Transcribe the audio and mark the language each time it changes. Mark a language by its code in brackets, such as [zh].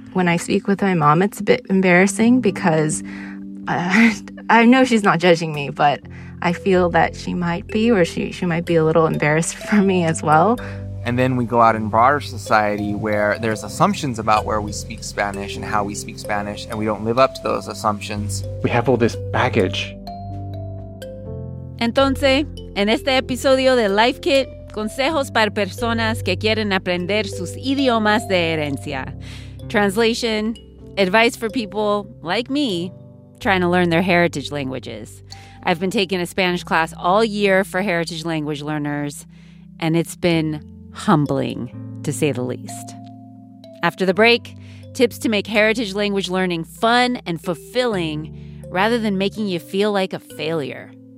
[en] When I speak with my mom, it's a bit embarrassing because I know she's not judging me, but I feel that she might be, or she might be a little embarrassed for me as well. And then we go out in broader society where there's assumptions about where we speak Spanish and how we speak Spanish, and we don't live up to those assumptions. We have all this baggage. [es] Entonces, en este episodio de Life Kit, consejos para personas que quieren aprender sus idiomas de herencia. [en] Translation, advice for people like me trying to learn their heritage languages. I've been taking a Spanish class all year for heritage language learners, and it's been humbling, to say the least. After the break, tips to make heritage language learning fun and fulfilling rather than making you feel like a failure.